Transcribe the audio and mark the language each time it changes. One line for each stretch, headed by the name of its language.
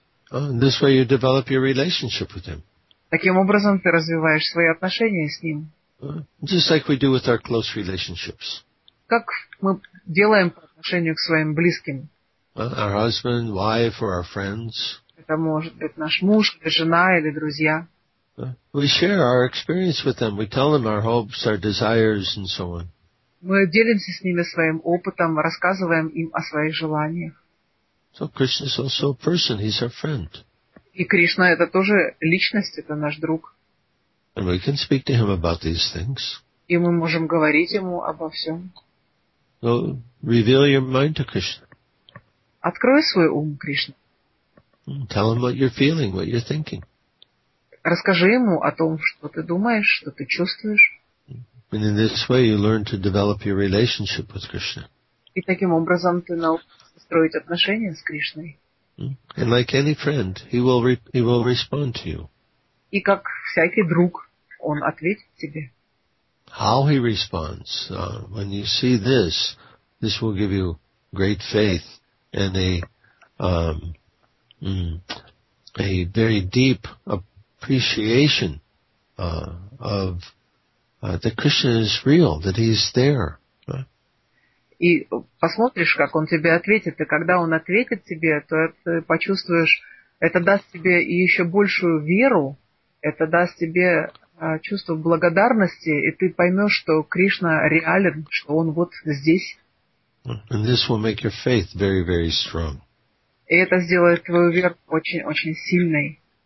English: This way you develop your relationship with him.
Russian: Таким образом ты развиваешь свои отношения с ним.
English: Just like we do with our close relationships.
Russian: Как мы делаем по отношению к своим близким.
English: Our husband, wife, or our friends.
Russian: Это может быть наш муж, или жена или друзья.
English: We share our experience with them. We tell them our hopes, our desires, and so on.
Russian: Мы делимся с ними своим опытом, рассказываем им о своих желаниях.
English: So Krishna is also a person. He's our friend.
Russian: И Кришна это тоже личность, это наш друг.
English: And we can speak to him about these things.
Russian: И мы можем говорить ему обо всем.
English: So reveal your mind to Krishna.
Russian: Открой свой ум, Кришна.
English: Tell him what you're feeling, what you're thinking.
Russian: Расскажи ему о том, что ты думаешь, что ты чувствуешь.
English: And in this way you learn to develop your relationship with Krishna.
Russian: И таким образом ты научишься строить отношения с Кришной.
English: And like any friend, he will respond to you.
Russian: И как всякий друг, он ответит тебе.
English: How he responds, when you see this, this will give you great faith and a very deep appreciation that Krishna is real, that he is there.
Russian: И посмотришь, как он тебе ответит, и когда он ответит тебе, то ты почувствуешь, это даст тебе еще большую веру, это даст тебе чувство благодарности, и ты поймешь, что Кришна реален, что он вот здесь.
English: And this will make your faith very, very strong.
Russian: И это сделает твою веру очень, очень сильной.